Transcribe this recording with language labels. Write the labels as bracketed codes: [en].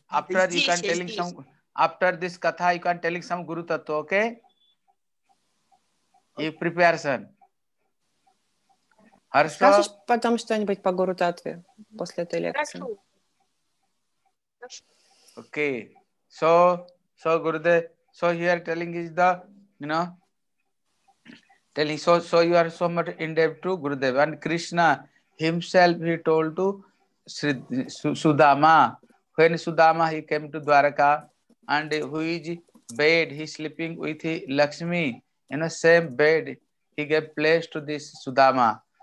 [en] After, you can telling some, after this ката, you can telling some Гуру Татва, okay? You prepare, son. [ru] Хорошо? Скажешь потом что-нибудь по Гуру Татве после этой лекции? Хорошо. [en] Okay. So, Гурудев, so here telling is the, you know, telling, so you are so much in debt to Gurudev. And Krishna himself, he told to Sudama, when Sudama, he came to Dwaraka, and who is bed, he sleeping with Lakshmi, in the same bed, he gave place to this Sudama.